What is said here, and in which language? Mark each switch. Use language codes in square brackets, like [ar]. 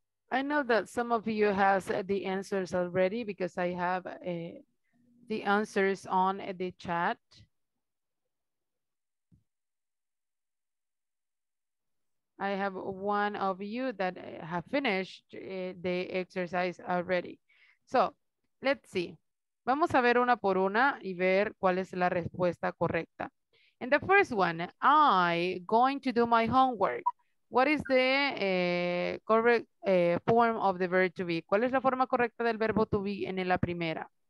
[en] I know that some of you has the answers already because I have the answers on the chat. I have one of you that have finished the exercise already. So, let's see. [es] Vamos a ver una por una y ver cuál es la respuesta correcta. [en] In the first one, I going to do my homework. What is the correct form of the verb to be? [es] ¿Cuál es la forma correcta del verbo to be en la primera?